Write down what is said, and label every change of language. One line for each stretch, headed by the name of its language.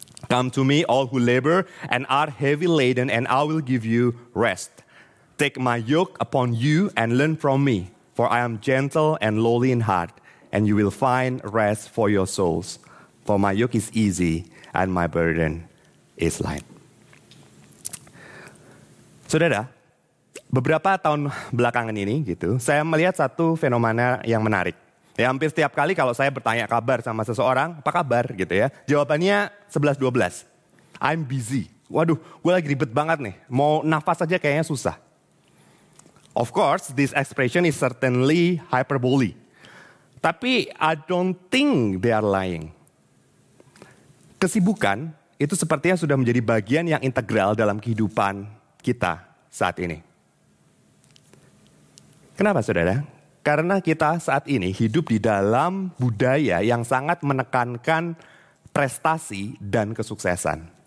English: Come to me all who labor and are heavy laden and I will give you rest. Take my yoke upon you and learn from me, for I am gentle and lowly in heart, and you will find rest for your souls. For my yoke is easy and my burden is light.
Indonesian: Saudara, beberapa tahun belakangan ini gitu, saya melihat satu fenomena yang menarik. Ya, hampir setiap kali kalau saya bertanya kabar sama seseorang, apa kabar gitu ya, jawabannya 11-12.
English: I'm busy.
Indonesian: Waduh, gue lagi ribet banget nih. Mau nafas aja kayaknya susah.
English: Of course, this expression is certainly hyperbole.
Indonesian: Tapi
English: I don't think they are lying.
Indonesian: Kesibukan itu sepertinya sudah menjadi bagian yang integral dalam kehidupan kita saat ini. Kenapa saudara? Karena kita saat ini hidup di dalam budaya yang sangat menekankan prestasi dan kesuksesan.